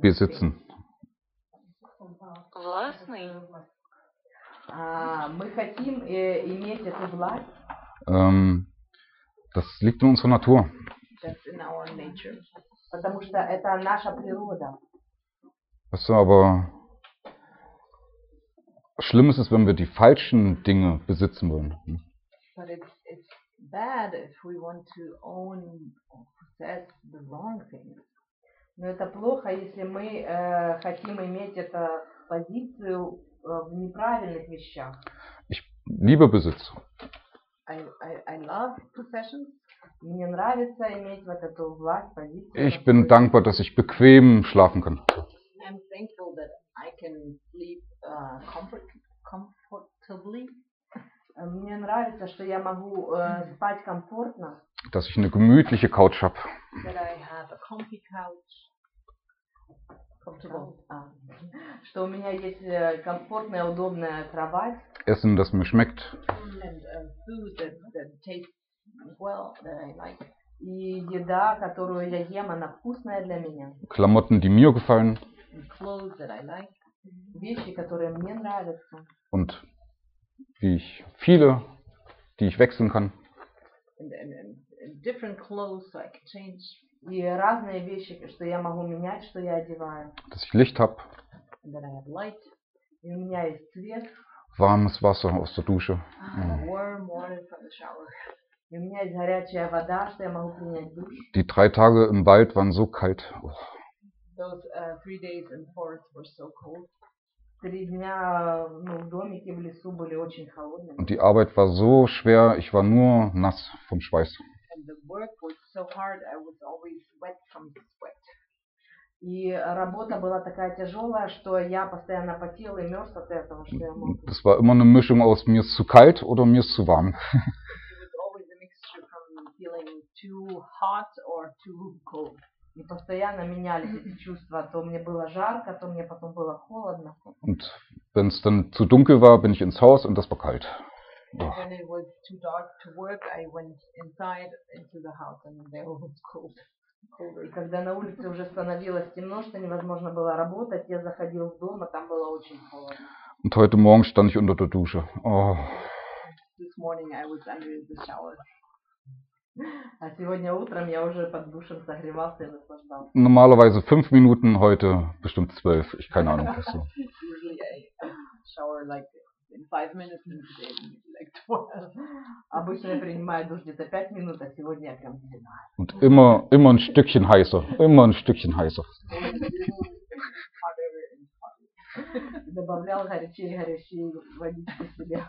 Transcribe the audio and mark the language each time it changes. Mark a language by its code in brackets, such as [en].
[de] Besitzen. [ru] Властный. Мы хотим иметь эту власть. [de] Das liegt in unserer Natur. [en] That's in our nature. [ru] Потому что это наша природа. [de] Weißt du, aber schlimm ist es, wenn wir die falschen Dinge besitzen wollen. [en] But it's bad if we want to own or possess the wrong things. [ru] Но это плохо, если мы хотим иметь эту позицию в неправильных вещах. [de] Ich liebe Besitz. [en] I love possessions. [ru] Мне нравится иметь вот эту власть, позицию. [de] Ich bin dankbar, dass ich bequem schlafen kann. [en] I'm thankful that I can sleep comfortably. [ru] Мне нравится, что я могу спать комфортно. [de] Dass ich eine gemütliche Couch habe. [en] That I have a comfy couch. [ru] Что у меня есть комфортная, удобная кровать. [de] Essen, das mir schmeckt. [en] And food that tastes well, that I like. [ru] И еда, которую я ем, она вкусная для меня. [de] Klamotten, die mir gefallen. [en] And clothes that I like. [ru] Вещи, которые мне нравятся. [de] Und wie ich viele, die ich wechseln kann. [en] And different clothes so I can change. [ru] И разные вещи, что я могу менять, что я одеваю. [de] Dass ich Licht hab. [en] And that I have light. [ru] И у меня есть цвет. [de] Warmes Wasser aus der Dusche. [en] Warm water from the shower. [ru] И у меня есть горячая вода, что я могу принять душ. [de] Die drei Tage im Wald waren so kalt. Oh. [en] Those three days in the forest were so cold. [ru] Три дня, ну, в домике, в лесу были очень холодные. [de] Und die Arbeit war so schwer, ich war nur nass vom Schweiß. [en] And the work was so hard, I was always wet from the sweat. [ru] И работа была такая тяжелая, что я постоянно потел и мерз от этого, что я мог. [de] Das war immer eine Mischung aus mir ist zu kalt oder mir ist zu warm. [en] It was always a mixture from feeling too hot or too cold. [ru] И постоянно менялись эти чувства. То мне было жарко, то мне потом было холодно. [de] Und wenn es dann zu dunkel war, bin ich ins Haus und das war kalt. [en] And when it was too dark to work, I went inside into the house and there it was cold. [ru] И когда на улице уже становилось темно, что невозможно было работать, я заходил в дом, а там было очень холодно. [de] Und heute Morgen stand ich unter der Dusche. Oh. [en] This morning I was under the shower. [ru] А сегодня утром я уже под душем согревался и наслаждался. [de] Normalerweise 5 Minuten, heute bestimmt 12. Ich keine Ahnung, was so. [en] Usually I shower like in 5 minutes and today like 12. [ru] Обычно я принимаю душ где-то 5 минут, а сегодня я прям 12. [de] Und immer ein Stückchen heißer. Immer ein Stückchen heißer. [ru] Добавлял горячие водички себе.